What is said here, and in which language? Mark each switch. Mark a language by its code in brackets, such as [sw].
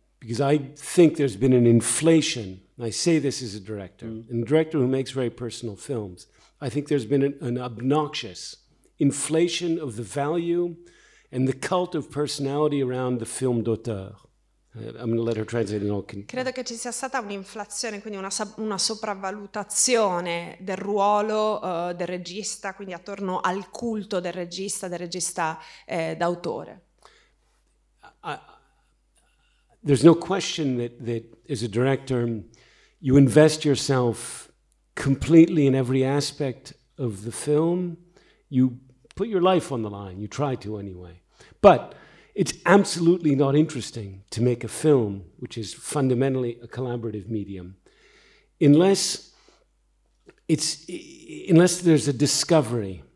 [en] Because I think there's been an inflation, and I say this as a director, and a director who makes very personal films, I think there's been an obnoxious inflation of the value and the cult of personality around the film d'auteur. I'm going to let her translate and I'll continue. [it] Credo che ci sia stata un'inflazione, quindi una sopravvalutazione del ruolo del regista, quindi attorno al culto del regista d'autore. [en] There's no question that as a director, you invest yourself completely in every aspect of the film. You put your life on the line. You try to anyway. But it's absolutely not interesting to make a film, which is fundamentally a collaborative medium, unless there's a discovery.